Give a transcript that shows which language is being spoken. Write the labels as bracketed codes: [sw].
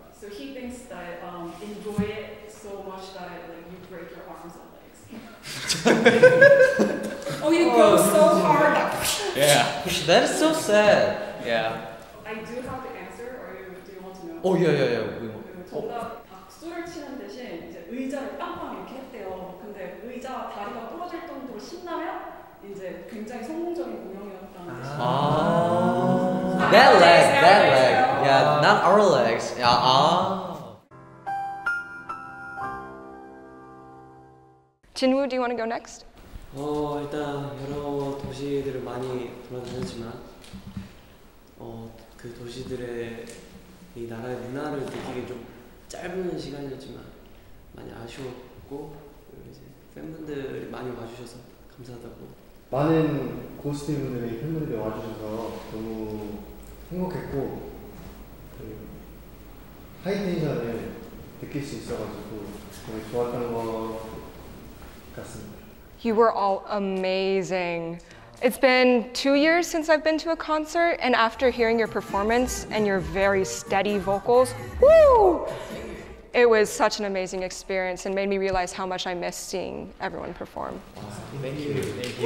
[en] So he thinks that enjoy it so much that like you break your arms and legs. Oh, you go so hard. Yeah. That is so sad. Yeah. I do have to answer, or you, do you want to know? Oh, yeah. We want. [ko] 박수를 치는 대신 이제 의자를 빵빵 이렇게 했대요. 근데 의자 다리가 부러질 정도로 신나면 이제 굉장히 성공적인 공연이었다는 뜻이에요. [en] That leg, that leg. Yeah, not our legs. Yeah, Jinwoo, do you want to go next? [ko] 일단 여러 도시들을 많이 돌아다녔지만 그 도시들의 이 나라의 문화를 느끼기 좀 짧은 시간이었지만 많이 아쉬웠고 이제 팬분들이 많이 와주셔서 감사하다고 많은 고스트분들이 팬분들이 와주셔서 너무 행복했고 하이텐션을 느낄 수 있어가지고 너무 좋았던 것 같습니다. [en] You were all amazing. It's been 2 years since I've been to a concert, and after hearing your performance and your very steady vocals, woo! It was such an amazing experience and made me realize how much I miss seeing everyone perform. Thank you.